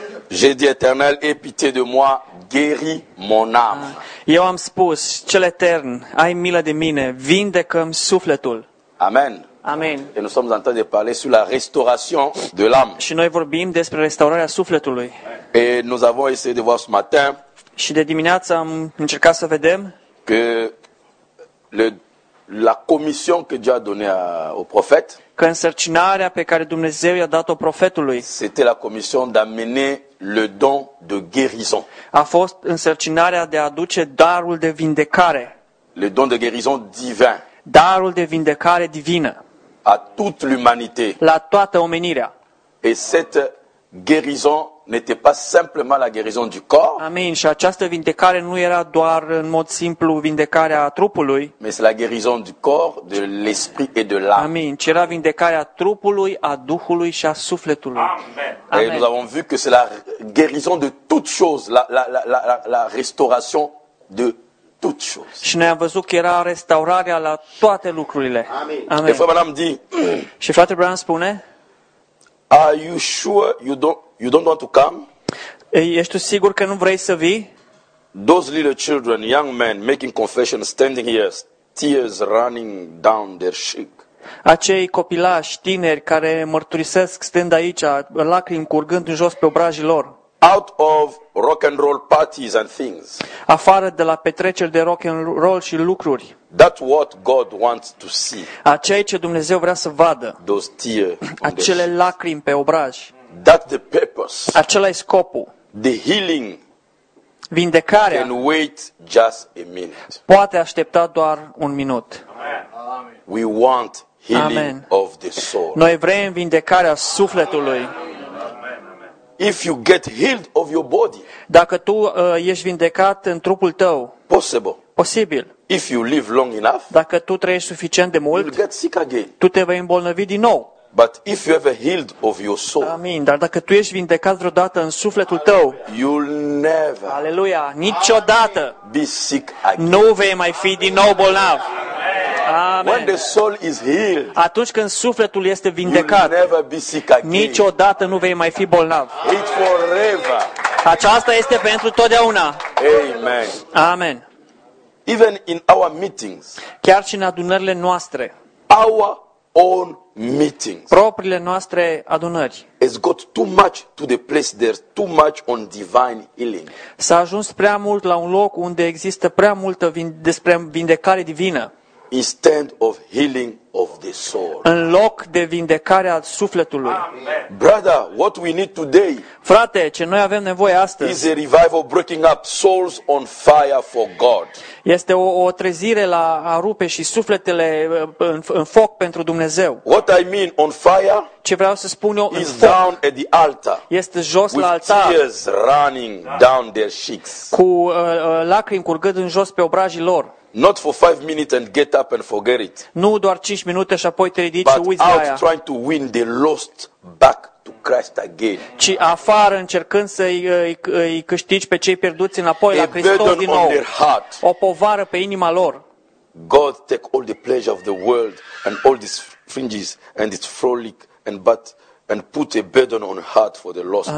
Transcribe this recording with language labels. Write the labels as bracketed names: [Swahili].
[French] J'ai dit, Éternel, ai pitié de moi, guéris mon âme. [Romanian] Eu am spus, cel etern, ai milă de mine, vindecă-mi sufletul. Amen. Amen. [French] Et nous sommes en train de parler sur la restauration de l'âme. [Romanian] Și noi vorbim despre restaurarea sufletului. [French] Et nous avons essayé de voir ce matin. [Romanian] Și de dimineață am încercat să vedem [French] que la commission que Dieu a donnée au prophète. [Romanian] Că însărcinarea pe care Dumnezeu i-a dat-o profetului. [French] C'était la commission d'amener le don de guérison. [Romanian] A fost însărcinarea de a aduce darul de vindecare. [French] Le don de guérison divin. [Romanian] Darul de vindecare divină. [French] À toute l'humanité. [Romanian] La toată omenirea. [French] Et cette guérison n'était pas simplement la guérison du corps. Amen. [Romanian] Și această vindecare nu era doar în mod simplu vindecarea trupului. [French] Mais c'est la guérison du corps, de l'esprit et de l'âme. Amen. [Romanian] Ci era vindecarea trupului, a duhului și a sufletului. Amen. [French] Et nous avons vu que c'est la guérison de toutes choses, la restauration de toutes choses. [Romanian] Și noi am văzut că era restaurarea la toate lucrurile. [French] Amen. Et frère dit. [Romanian] Și frate Branham spune. [English] Are you sure you don't want to come? [Romanian] Ești tu sigur că nu vrei să vii? [English] Those little children, young men, making confession, standing here, tears running down their cheek. [Romanian] Acei copilași tineri care mărturisesc stând aici, lacrimi curgând în jos pe obrajii lor. [English] Out of rock and roll parties and things. [Romanian] Afară de la petreceri de rock and roll și lucruri. [English] That's what God wants to see. [Romanian] Aceea ce Dumnezeu vrea să vadă. [English] Those tears. [Romanian] Acele lacrimi pe obraj. [English] That's the purpose. [Romanian] Acela e scopul. [English] The healing. [Romanian] Vindecarea. [English] Can wait just a minute. [Romanian] Poate aștepta doar un minut. [English] Amen. We want healing. Amen. Of the soul. [Romanian] Noi vrem vindecarea sufletului. [English] If you get healed of your body. [Romanian] Dacă tu ești vindecat în trupul tău. [English] Possible. [Romanian] Posibil. [English] If you live long enough. [Romanian] Dacă tu trăiești suficient de mult. [English] You'll get sick again. [Romanian] Tu te vei îmbolnăvi din nou. [English] But if you ever healed of your soul. Amin. [Romanian] Dar dacă tu ești vindecat vreodată în sufletul tău. [English] You'll never. [Romanian] Aleluia. Niciodată. [English] Be sick again. [Romanian] Nu vei mai fi din nou bolnav. [English] Amen. When the soul is healed. [Romanian] Atunci când sufletul este vindecat. [English] You'll never be sick again. [Romanian] Niciodată nu vei mai fi bolnav. [English] It's forever. [Romanian] Aceasta este pentru totdeauna. Amen. Amen. [English] Even in our meetings. [Romanian] Chiar și în adunările noastre. [English] Our own meetings. [Romanian] Propriile noastre adunări. [English] It's got too much to the place there, too much on divine healing. [Romanian] S-a ajuns prea mult la un loc unde există prea multă despre vindecare divină. [English] Instead of healing of the soul. [Romanian] În loc de vindecarea sufletului. [English] Amen. Brother, what we need today? [Romanian] Frate, ce noi avem nevoie astăzi? [English] Is a revival breaking up souls on fire for God. [Romanian] Este o trezire la a rupe și sufletele în foc pentru Dumnezeu. [English] What I mean on fire? [Romanian] Ce vreau să spun eu, [English] is down at the altar. [Romanian] Este jos la altar. [English] With tears running down their cheeks. [Romanian] Cu lacrimi curgând în jos pe obrajii lor. [English] Not for 5 minutes and get up and forget it. [Romanian] Nu doar 5 minute și apoi te ridici și uiți de aia. [English] But out trying to win the lost back to Christ again. [Romanian] Ci afară încercând să îi câștigi pe cei pierduți înapoi la Hristos din nou. [English] A burden on their heart. [Romanian] O povară pe inima lor. [English] God take all the pleasure of the world and all these fringes and its frolic and but and put a burden on heart for the lost.